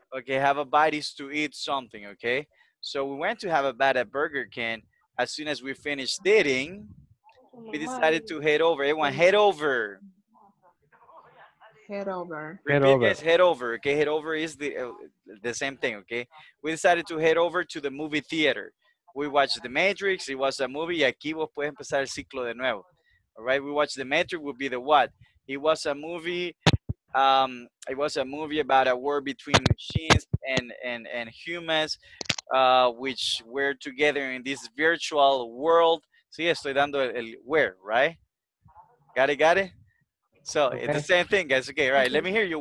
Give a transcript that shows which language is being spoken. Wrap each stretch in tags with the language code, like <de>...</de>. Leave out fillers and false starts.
<en>Okay, have a bite is to eat something, okay? So we went to have a bite at Burger King. As soon as we finished eating, We decided to head over. Everyone, head over. Head over. Repeat, head over. Okay, head over is the same thing. Okay, we decided to head over to the movie theater. We watched The Matrix. It was a movie.</en> <es>Aquí vos puedes empezar el ciclo de nuevo.</es> <en>All right, we watched The Matrix. Would be the what? It was a movie. It was a movie about a war between machines and humans, which were together in this virtual world.</en> <es>Sí, estoy dando el</es> <en>where, right? Got it, got it? So okay. It's the same thing, guys. Okay, right. Let me hear you.</en>